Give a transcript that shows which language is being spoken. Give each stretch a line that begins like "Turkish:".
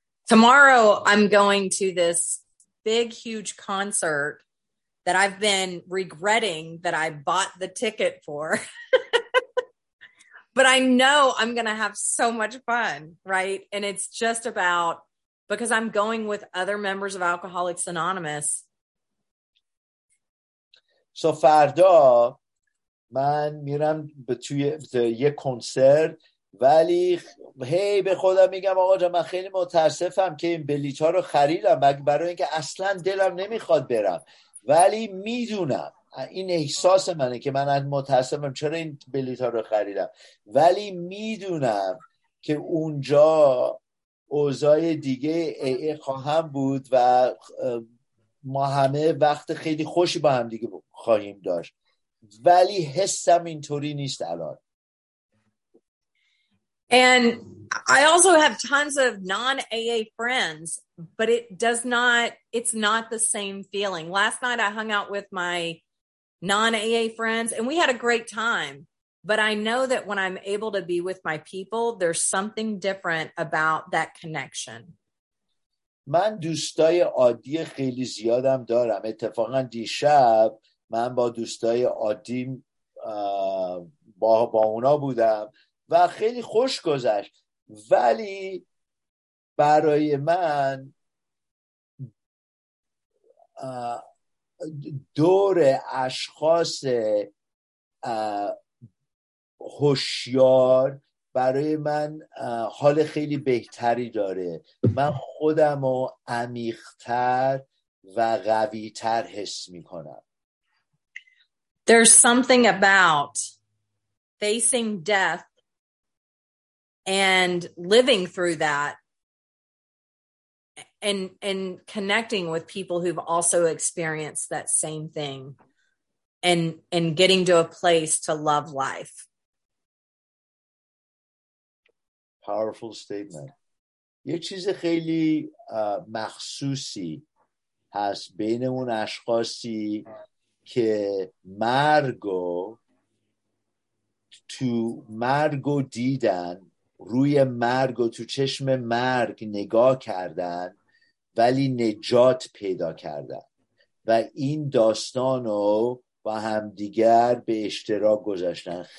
English: Tomorrow I'm going to this big huge concert that I've been regretting that I bought the ticket for. But I know I'm going to have so much fun, right? And it's just about, because I'm going with other members of Alcoholics Anonymous.
Persian: So فردا من میرم به توی یه کنسرت, ولی هی به خودم میگم آقا جا من خیلی متاسفم که این بلیط ها رو خریدم برای اینکه اصلا دلم نمیخواد برم, ولی میدونم این احساس منه که من متاسفم چرا این بلیط ها رو خریدم, ولی میدونم که اونجا اوضاع دیگه ای خواهم بود و ما همه وقت خیلی خوشی با هم دیگه خواهیم داشت, ولی حسم اینطوری نیست الان.
English: And I also have tons of non-AA friends, but it does not, it's not the same feeling. Last night I hung out with my non-AA friends and we had a great time, but I know that when I'm able to be with my people, there's something different about that connection.
Persian: من دوستای عادی خیلی زیادم دارم. اتفاقا دیشب من با دوستای عادی با اونا بودم و خیلی خوش گذشت, ولی برای من دور اشخاص هوشیار برای من حال خیلی بهتری داره. من خودم رو عمیق‌تر و قوی‌تر حس می‌کنم.
English: There's something about facing death and living through that and connecting with people who've also experienced that same thing and getting to a place to love life. Powerful statement.
Persian: یه چیز خیلی مخصوصی هست بین اون اشخاصی که مرگو دیدن, روی مرگ و تو چشم مرگ نگاه کردن ولی نجات پیدا کردن و این داستانو با هم دیگر به اشتراک گذاشتن.